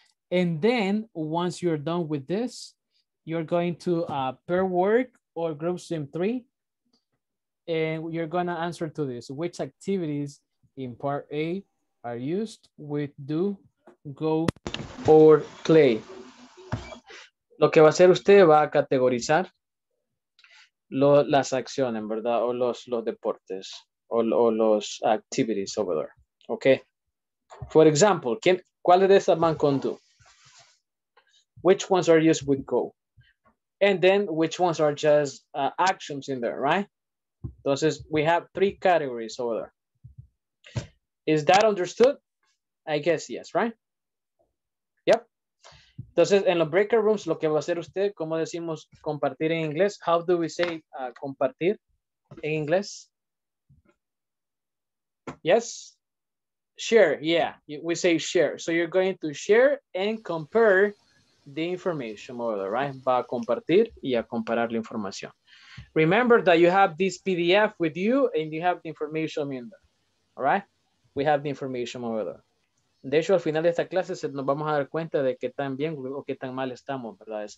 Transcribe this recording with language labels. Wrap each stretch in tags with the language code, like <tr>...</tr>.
<en>And then once you're done with this, you're going to pair work or group sim 3. And you're going to answer to this. Which activities in part A are used with do, go, or play?</en> <es>Lo que va a hacer usted va a categorizar las acciones, ¿verdad? O los deportes o los</es> <en>activities over there. Okay. For example,</en> <es>¿cuál de esas van con do?</es> <en>Which ones are used with go? And then which ones are just actions in there, right?</en> <es>Entonces,</es> <en>we have 3 categories over there. Is that understood? I guess yes, right? Yep.</en> <es>Entonces, en los breakout rooms, lo que va a hacer usted, ¿cómo decimos compartir en inglés?</es> <en>How do we say</en> <es>compartir en inglés?</es> <en>Yes? Share, yeah. We say share. So you're going to share and compare the information over there, right?</en> <es>Va a compartir y a comparar la información.</es> <en>Remember that you have this PDF with you and you have the information in there. All right? We have the information over there.</en> <es>De hecho, al final de esta clase nos vamos a dar cuenta de qué tan bien o qué tan mal estamos, ¿verdad?</es>